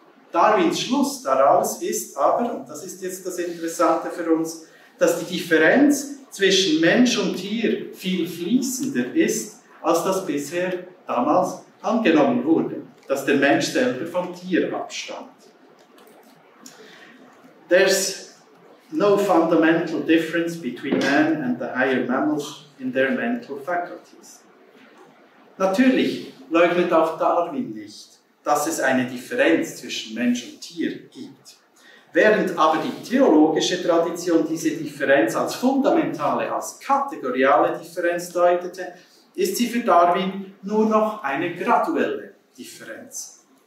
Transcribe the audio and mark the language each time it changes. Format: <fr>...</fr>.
<de>Darwins Schluss daraus ist aber, und das ist jetzt das Interessante für uns, dass die Differenz zwischen Mensch und Tier viel fließender ist, als das bisher damals angenommen wurde, dass der Mensch selber vom Tier abstammt.</de> <en>There's no fundamental difference between man and the higher mammals in their mental faculties.</en> <de>Natürlich leugnet auch Darwin nicht, dass es eine Differenz zwischen Mensch und Tier gibt. Während aber die theologische Tradition diese Differenz als fundamentale, als kategoriale Differenz deutete, ist sie für Darwin nur noch eine graduelle Differenz.</de>